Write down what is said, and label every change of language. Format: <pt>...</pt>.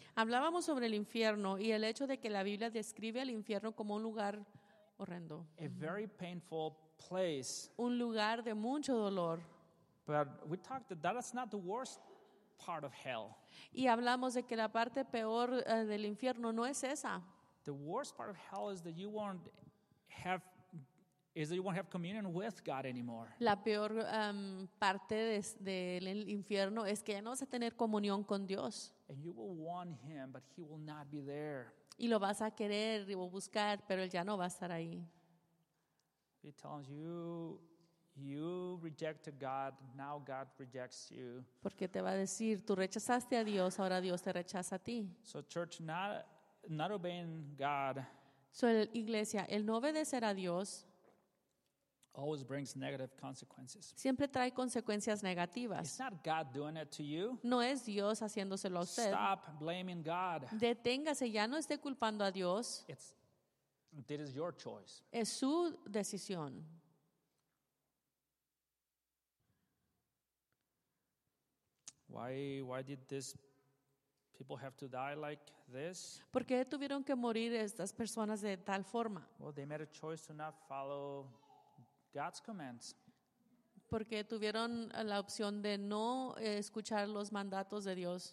<es>Hablábamos sobre el infierno y el hecho de que la Biblia describe al infierno como un lugar horrendo.</es> <en>A very painful place.</en> <es>Un lugar de mucho dolor.</es> <en>But we talked that that's not the worst part of hell.</en> <es>Y hablamos de que la parte peor del infierno no es esa.</es> <en>The worst part of hell is that you won't have communion with God anymore.</en> <es>La peor parte del infierno es que ya no vas a tener comunión con Dios.</es> <en>And you will want Him, but He will not be there.</en> <es>Y lo vas a querer y buscar, pero Él ya no va a estar ahí.</es> <en>He tells you rejected God, now God rejects you.</en> <es>Porque te va a decir, tú rechazaste a Dios, ahora Dios te rechaza a ti.</es> <en>So church, not obeying God.</en> <es>So iglesia, el no obedecer a Dios</es> <en>always brings negative consequences.</en> <es>Siempre trae consecuencias negativas.</es> <en>It's not God doing it to you.</en> <es>No es Dios haciéndoselo a usted.</es> <en>Stop blaming God.</en> <es>Deténgase, ya no esté culpando a Dios.</es> <en>It is your choice.</en> <es>Es su decisión.</es> <en>Why did this people have to die like this?</en> <es>¿Por qué tuvieron que morir estas personas de tal forma?</es> <en>Well, they made a choice to not follow God's commands.</en> <es>Porque tuvieron la opción de no escuchar los mandatos de Dios.</es>